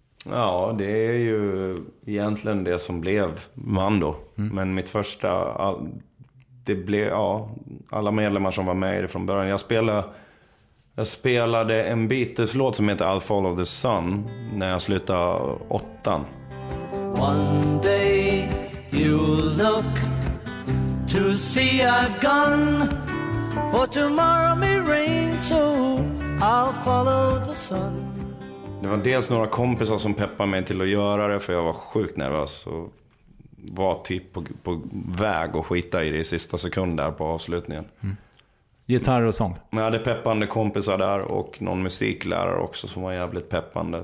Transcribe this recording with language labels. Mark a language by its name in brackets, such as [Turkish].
[Swedish] Ja, det är ju egentligen det som blev Mando. Mm. Men mitt första, det blev, ja, alla medlemmar som var med i det från början. Jag spelade en Beatles-låt som heter I'll Follow the Sun när jag slutade 8:an. [English] One day you'll look to see I've gone, for tomorrow may rain, so I'll follow the sun. [Swedish] Det var dels några kompisar som peppade mig till att göra det, för jag var sjukt nervös och var typ på väg att skita i det i sista sekund där på avslutningen. Mm. Gitarr och sång. Jag hade peppande kompisar där och någon musiklärare också som var jävligt peppande.